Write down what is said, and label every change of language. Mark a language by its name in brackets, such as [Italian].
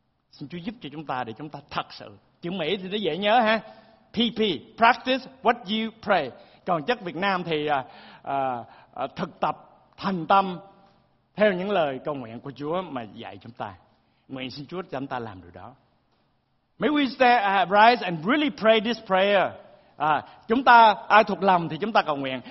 [Vietnamese] Xin Chúa giúp cho chúng ta để chúng ta thật sự, chữ Mỹ thì nó dễ nhớ ha, PP, [English] practice what you pray. [Vietnamese] Còn chất Việt Nam thì thực tập thành tâm theo những lời cầu nguyện của Chúa mà dạy chúng ta. Nguyện xin Chúa cho chúng ta làm điều đó. [English] May we rise and really pray this prayer. [Vietnamese] Chúng ta ai thuộc lòng thì chúng ta cầu nguyện.